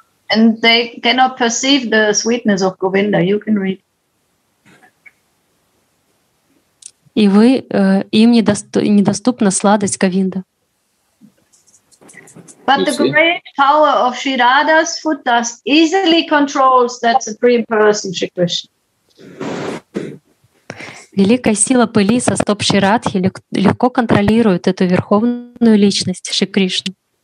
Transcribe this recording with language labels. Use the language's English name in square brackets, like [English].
[English] And they cannot perceive the sweetness of Govinda. You can read. [Russian] И вы им недоступна сладость Говинда. [English] But the great power of Sri Radha's foot dust easily controls that supreme person, Shri Krishna. [Russian] Великая сила пыли со стоп Шри Радхи легко контролирует эту верховную личность Шри Кришну.